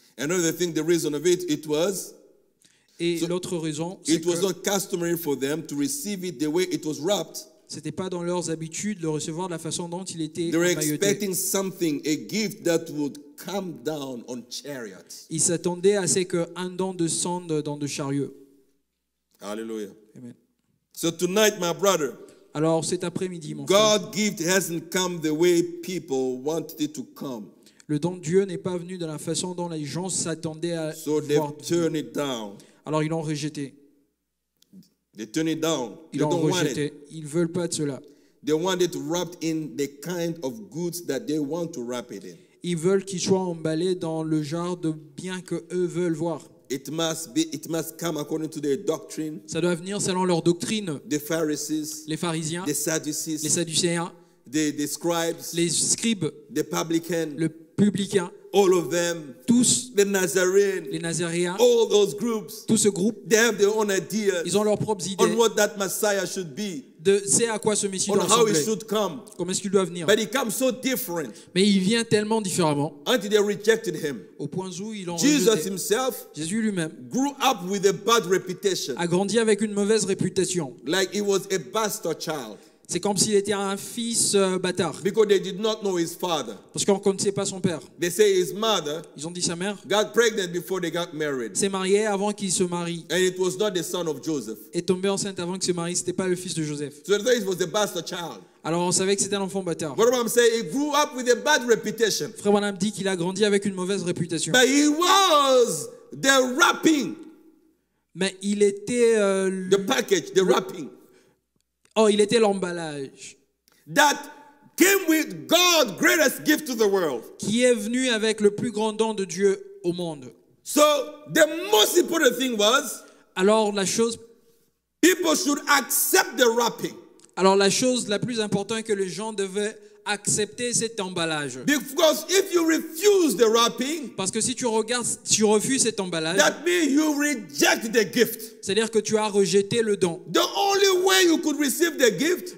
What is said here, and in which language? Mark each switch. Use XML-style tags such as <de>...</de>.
<en>Another thing, the reason of it, it was.</en> <fr>Et so, l'autre raison, c'est</fr> <en>it was not customary for them to receive it the way it was wrapped.</en> <fr>C'était pas dans leurs habitudes de le recevoir de la façon dont il était emmailloté.</fr> <en>They were expecting something, a gift that would come down on chariots.</en> <fr>Ils s'attendaient à ce qu'un don descende dans de chariots. Alléluia. Amen.</fr> <en>So tonight, my brother,</en> <fr>Alors cet après-midi, mon</fr> <en>God gift hasn't come the way people wanted it to come.</en> <fr>Le don de Dieu n'est pas venu de la façon dont les gens s'attendaient à</fr> <en>so</en> <fr>voir.</fr> <en>Turn it down.</en> <fr>Alors ils l'ont rejeté.</fr> <en>They turn it down.</en> <fr>Ils l'ont rejeté.</fr> <en>Want it.</en> <fr>Ils veulent pas de cela.</fr> <en>They want it wrapped in the kind of goods that they want to wrap it in.</en> <fr>Ils veulent qu'il soit emballé dans le genre de bien que eux veulent voir.</fr> <en>It must come according to their doctrine.</en> <fr>Ça doit venir selon leur doctrine.</fr> <en>The Pharisees.</en> <fr>Les pharisiens.</fr> <en>The Sadducees.</en> <fr>Les sadducéens.</fr> <en>The scribes.</en> <fr>Les scribes.</fr> <en>The publicans.</en> <fr>Le publicain.</fr> <en>All of them.</en> <fr>Tous.</fr> <en>The Nazarene.</en> <fr>Les nazaréens.</fr> <en>All those groups.</en> <fr>Tout ce groupe.</fr> <en>They have their own ideas.</en> <fr>Ils ont leurs propres idées.</fr> <en>On what that Messiah should be.</en> <fr>De c'est à quoi ce Messie doit ressembler. Comment est-ce qu'il doit venir?</fr> <en>But he comes so different.</en> <fr>Mais il vient tellement différemment.</fr> <en>Until they rejected him.</en> <fr>Au point où ils l'ont</fr> <en>Jesus</en> <fr>rejeté. Jésus lui-même</fr> <en>grew up with a bad reputation.</en> <fr>A grandi avec une mauvaise réputation.</fr> <en>Like he was a bastard child.</en> <fr>C'est comme s'il était un fils bâtard.</fr> <en>Because they did not know his father.</en> <fr>Parce qu'on ne connaissait pas son père.</fr> <en>They say his mother,</en> <fr>ils ont dit sa mère</fr> <en>got pregnant before they got married.</en> <fr>S'est mariée avant qu'il se marie.</fr> <en>And it was not the son of Joseph.</en> <fr>Est tombé enceinte avant qu'il se marie. Ce n'était pas le fils de Joseph.</fr> <en>So they thought it was a bastard child.</en> <fr>Alors on savait que c'était un enfant bâtard.</fr> <en>What I'm saying, he grew up with a bad reputation.</en> <fr>Frère Branham dit qu'il a grandi avec une mauvaise réputation.</fr> <en>But he was the wrapping.</en> <fr>Mais il était</fr> <en>the package, the wrapping.</en> <fr>Oh, il était l'emballage.</fr> <en>That came with God's greatest gift to the world.</en> <fr>Qui est venu avec le plus grand don de Dieu au monde.</fr> <en>So the most important thing was.</en> <fr>Alors la chose.</fr> <en>People should accept the wrapping.</en> <fr>Alors la chose la plus importante que les gens devaient accepter cet emballage.</fr> <en>Because if you refuse the wrapping.</en> <fr>Parce que si tu regardes, tu refuses cet emballage.</fr> <en>That means you reject the gift.</en> <fr>C'est-à-dire que tu as rejeté le don.</fr> <en>The only way you could receive the gift.</en>